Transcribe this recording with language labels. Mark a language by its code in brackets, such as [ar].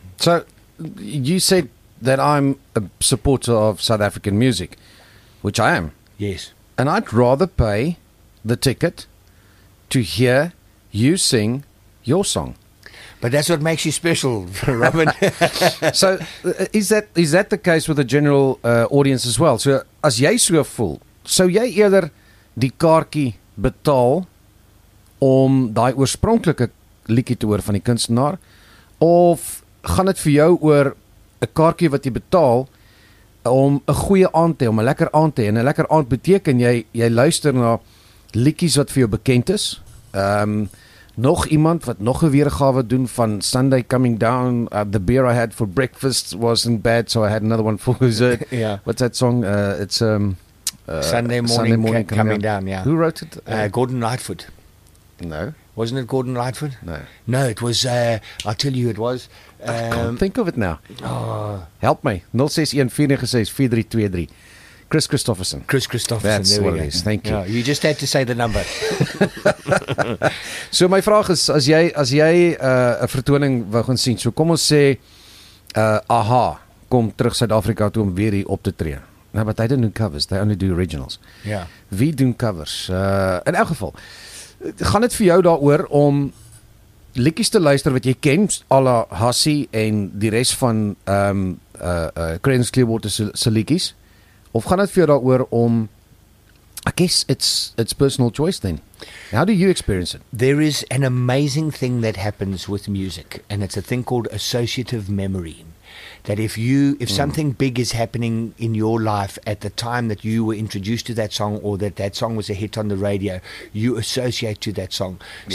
[en] So you said that I'm a supporter of South African music, which I am. Yes. And I'd rather pay the ticket to hear you sing your song. But that's what makes you special, Robin. So is that the case with the general audience as well? [af] So as jy so voel, sou jy eerder die kaartjie betaal om daai oorspronklike liedjie te hoor van die kunstenaar, of gaan dit vir jou oor 'n kaartjie wat jy betaal om 'n goeie aand te hê, om 'n lekker aand te hê? En 'n lekker aand beteken jy luister na liedjies wat vir jou bekend is. Nog iemand wat nog 'n weergawe doen van [en] Sunday Coming Down, the beer I had for breakfast wasn't bad, so I had another one for dessert. Yeah. What's that song? It's Sunday morning coming down. Yeah. Who wrote it? Gordon Lightfoot. No. Wasn't it Gordon Lightfoot? No. No, it was, I'll tell you who it was. I can't think of it now. Oh. Help me. 0614964323. Chris Christofferson. That's what it is. Thank you. No, you just had to say the number. [af] So my vraag is, as jy 'n vertoning wou gaan sien, so kom ons sê, Aha, kom terug Suid-Afrika toe om weer hier op te tree. [en] Nou, but they don't do covers, they only do originals. Yeah. [af] Wie doen covers? In elk geval, gaan dit vir jou daaroor om liedjies te luister wat jy ken, a la Hassie en die rest van Creedence Clearwater se liedjies? Of gaan dit vir jou daaroor om, [en] I guess it's personal choice then. How do you experience it? There is an amazing thing that happens with music, and it's a thing called associative memory. That if something big is happening in your life at the time that you were introduced to that song, or that song was a hit on the radio, you associate to that song. Yeah.